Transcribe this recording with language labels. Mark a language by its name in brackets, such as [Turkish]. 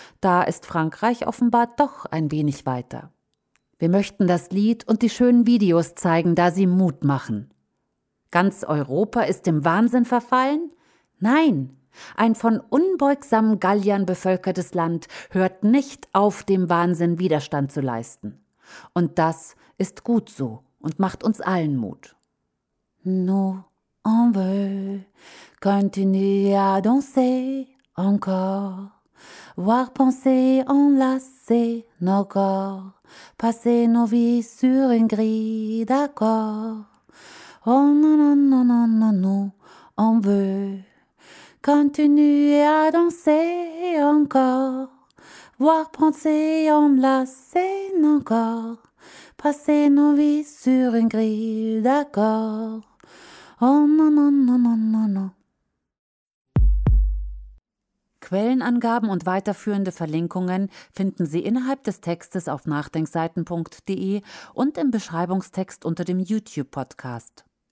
[German] Da ist Frankreich offenbar doch ein wenig weiter. Wir möchten das Lied und die schönen Videos zeigen, da sie Mut machen. Ganz Europa ist dem Wahnsinn verfallen? Nein, Ein von unbeugsamen Galliern bevölkertes Land hört nicht auf, dem Wahnsinn Widerstand zu leisten. Und das ist gut so und macht uns allen Mut. [French] Nous, on veut continuer à danser encore. Voir penser enlacer nos corps. Passer nos vies sur une grille d'accord. Oh non, non, non, non, non, nous, on veut continuer à danser encore. Voir penser enlacer nos corps. Passer nos vies sur une grille d'accord. Oh non, non, non, non, non, non. [German] Quellenangaben und weiterführende Verlinkungen finden Sie innerhalb des Textes auf nachdenkseiten.de und im Beschreibungstext unter dem YouTube-Podcast.